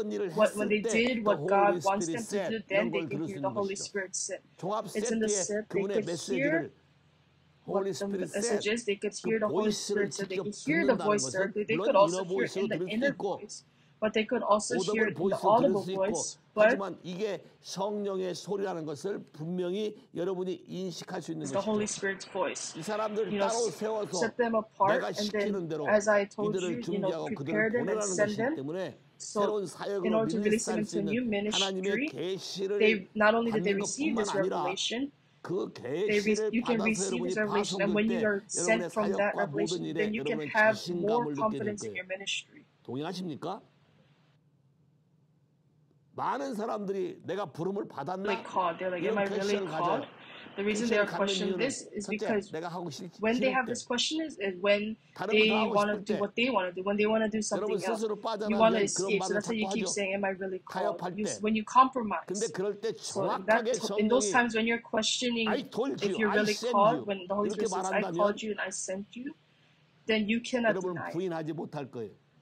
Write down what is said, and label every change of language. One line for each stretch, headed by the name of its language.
English: what when they did what God wants them to do, then they could hear the Holy Spirit say. It's in the SIP, they could hear what the message is, they could hear the Holy Spirit say, they could hear the voice there, they could also hear in the inner voice, but they could also hear in the audible voice. But
Korean: 하지만 이게 성령의 소리라는 것을 분명히 여러분이 인식할 수 있는 것이죠. 이 사람들 따로 세워서 내가 시키는 대로 이들을 준비하고 그들을 보내라는 것이기 때문에 새로운 사역으로 믿을 수 있는 하나님의 계시를 받는 것뿐만 아니라
English: you can receive this revelation and when you are sent from that revelation then you can have more confidence in your ministry.
Korean: 동의하십니까? 많은 사람들이 내가 부름을 받았나?
English: Like called. They're like, am I really called? The reason they are questioning this is because when they have this question is when they want to do what they want to do, when they want to do something else, you want to escape. So that's why you keep saying, am I really called? When you compromise. So that, in those times when you're questioning if you're really called, when the Holy Spirit says, I called you and I sent you, then you cannot deny it.